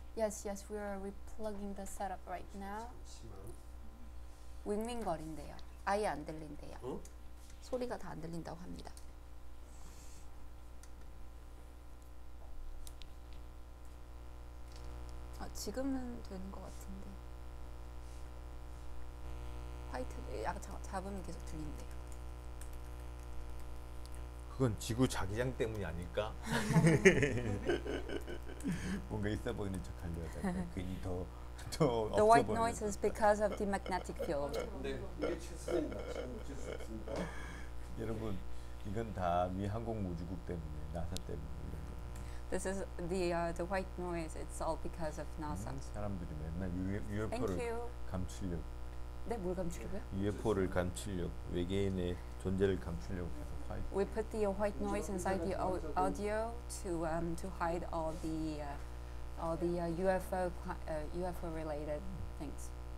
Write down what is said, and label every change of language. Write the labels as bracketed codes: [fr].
[en] Yes, we are replugging the setup right now. [ko] 윙윙거린대요. 아예 안 들린대요. 어? 소리가 다 안 들린다고 합니다. 아, 지금은 되는 것 같은데. 화이트 약간 잡음이 계속 들린대요. 그건 지구 자기장 때문이 아닐까? 뭔가 있어 보이는 척 하려고 하다가 괜히 더 없어버린다. [en] The white noise is because of the magnetic field. [ko] 네, 이게 최선입니다. 최선입니다. 여러분, 이건 다 미항공 우주국 때문에, 나사 때문에. [en] This is the white noise. It's all because of NASA. [ko] 사람들이 맨날 UFO를 감추려고. 네, 뭘 감추려고요? UFO를 감추려고, 외계인의 존재를 감추려고 해서. [en] We put the white noise inside the audio to hide all the UFO related things.